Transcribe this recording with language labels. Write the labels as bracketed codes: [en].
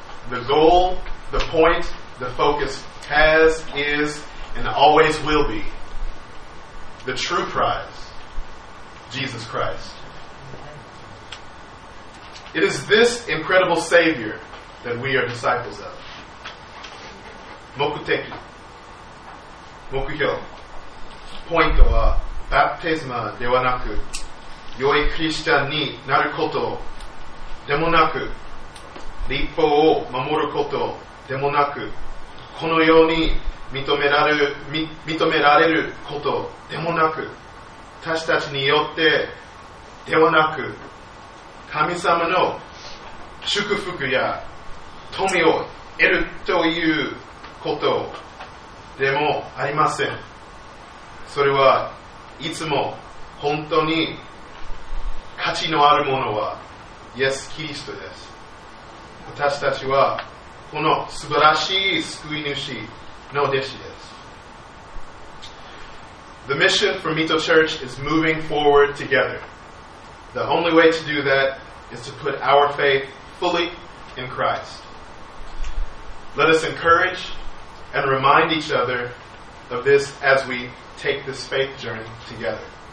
[en] The goal, the point, the focus has, is, and always will be the true prize, Jesus Christ. It is this incredible Savior that we are disciples of. [ja] 目的 目標 ポイントは バプテスマではなく 良いクリスチャンになることでもなく立法を守ることでもなく このように認められることでもなく 私たちによってではなく 神様の祝福や 富を得るということでもありません。それはいつも本当に価値のあるものはイエス・キリストです。私たちはこの素晴らしい救い主の弟子です。 [en] The mission for Mito Church is moving forward together. The only way to do that is to put our faith fully in Christ. Let us encourage and remind each other of this as we take this faith journey together.